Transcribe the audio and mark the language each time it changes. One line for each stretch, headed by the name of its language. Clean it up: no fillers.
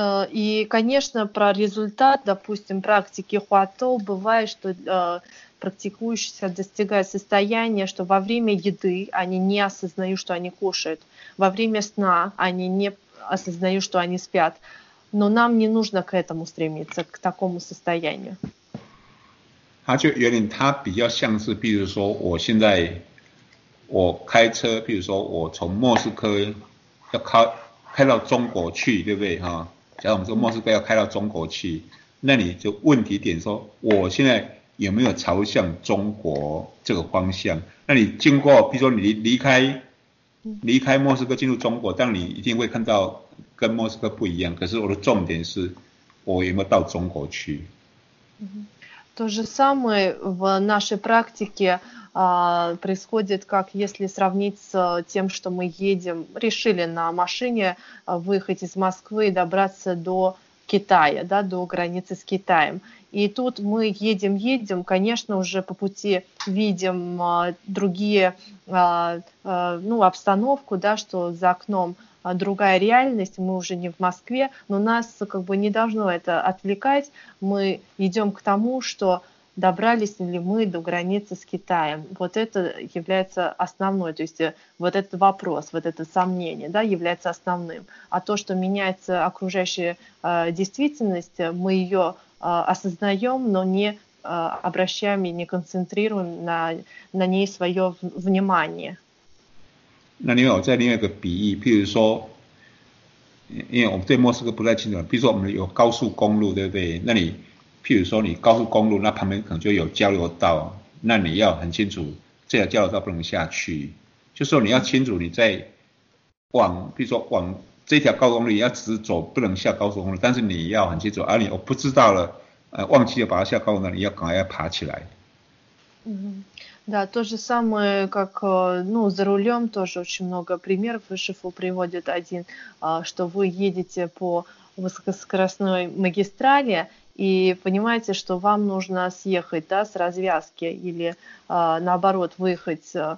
Russian: И, конечно, про результат, допустим, практики хватоу, бывает, что практикующиеся достигают состояния, что во время еды они не осознают, что они кушают, во время сна они не осознают, что они спят. Но нам не нужно к этому стремиться, к такому состоянию.
Chinese: 他就有点，他比较像是，比如说，我现在我开车，比如说我从莫斯科要开到中国去，对不对哈？假如我们说莫斯科要开到中国去，那你就问题点说，我现在有没有朝向中国这个方向？那你经过，比如说你离开莫斯科进入中国，但你一定会看到跟莫斯科不一样。可是我的重点是，我有没有到中国去？
Russian: То же самое в нашей практике происходит, как если сравнить с тем, что мы едем, решили на машине выехать из Москвы и добраться до Китая, да, до границы с Китаем. И тут мы едем, конечно, уже по пути видим другие, ну, обстановку, да, что за окном другая реальность, мы уже не в Москве, но нас как бы не должно это отвлекать. Мы идем к тому, что добрались ли мы до границы с Китаем. Вот это является основной, то есть вот этот вопрос, вот это сомнение, да, является основным. А то, что меняется окружающая действительность, мы ее осознаем, но не обращаем и не концентрируем на ней свое внимание.
Chinese: 那另外我再另外一个比喻，譬如说，因为我们对莫斯科不太清楚，譬如说我们有高速公路，对不对？那你譬如说你高速公路那旁边可能就有交流道，那你要很清楚这条交流道不能下去，就是说你要清楚你在往，譬如说往这条高速公路你要直走，不能下高速公路，但是你要很清楚，而你我不知道了，忘记了把它下高速公路，你要赶快要爬起来。
Russian: Да, то же самое, как, ну, за рулем тоже очень много примеров. Шифу приводит один, что вы едете по высокоскоростной магистрали и понимаете, что вам нужно съехать, да, с развязки или, наоборот, выехать